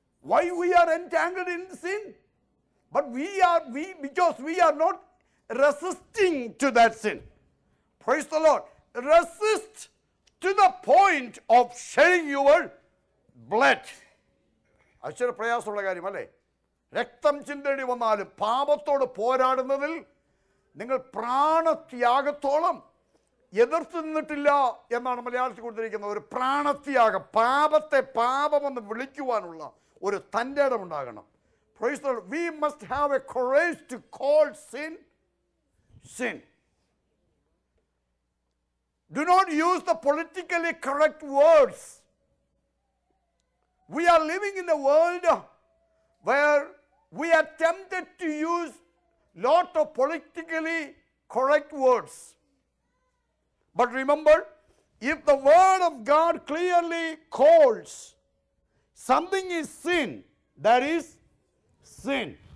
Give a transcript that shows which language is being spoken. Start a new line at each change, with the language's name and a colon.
English: Why we are entangled in sin? But we are not resisting to that sin. Praise the Lord. Resist to the point of shedding your blood.
Malayalam: അച്ചര പ്രയാസമുള്ള കാര്യം അല്ലേ? രക്തം ചിന്തേണ്ടി വന്നാലും പാപത്തോട് പോരാടുന്നതിൽ നിങ്ങൾ പ്രാണത്യാഗത്തോളം എതിർത്തുനിന്നിട്ടില്ല എന്നാണ് മലയാളത്തിൽ കൊടുത്തിരിക്കുന്നത്. ഒരു പ്രാണത്യാഗം, പാപത്തെ പാപമെന്ന് വിളിക്കുവാനുള്ള ഒരു തൻ്റെ ഇടം ഉണ്ടാകണം.
English: Praise the Lord. We must have a courage to call sin sin. Do not use the politically correct words. We are living in the world where we are tempted to use lot of politically correct words. But remember, if the word of God clearly calls something is sin, that is sin.